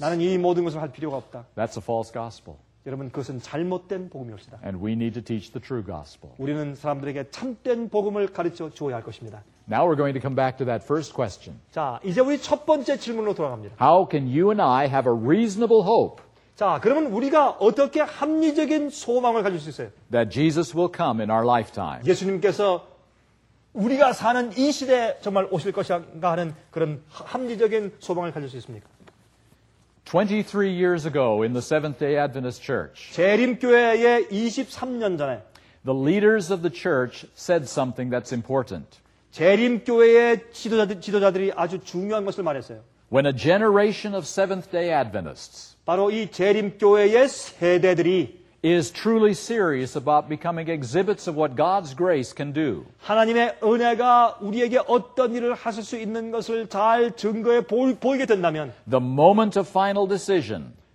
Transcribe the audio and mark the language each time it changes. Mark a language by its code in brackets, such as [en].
[ko] 나는 이 모든 것을 할 필요가 없다. [en] That's a false gospel. [ko] 여러분 그것은 잘못된 복음이었습니다. [en] And we need to teach the true gospel. [ko] 우리는 사람들에게 참된 복음을 가르쳐 주어야 할 것입니다. [en] Now we're going to come back to that first question. [ko] 자, 이제 우리 첫 번째 질문으로 돌아갑니다. [en] How can you and I have a reasonable hope? [ko] 자, 그러면 우리가 어떻게 합리적인 소망을 가질 수 있어요? [en] That Jesus will come in our lifetime. [ko] 예수님께서 우리가 사는 이 시대에 정말 오실 것인가 하는 그런 합리적인 소망을 가질 수 있습니까? [en] 23 years ago in the Seventh-day Adventist Church. [ko] 재림교회의 23년 전에 [en] the leaders of the church said something that's important. [ko] 재림교회의 지도자들이 아주 중요한 것을 말했어요. [en] When a generation of Seventh-day Adventists [ko] 바로 이 재림교회의 세대들이 [en] is truly serious about becoming exhibits of what God's grace can do. [ko] 하나님의 은혜가 우리에게 어떤 일을 하실 수 있는 것을 잘 증거해 보이게 된다면 [en] the moment of final decision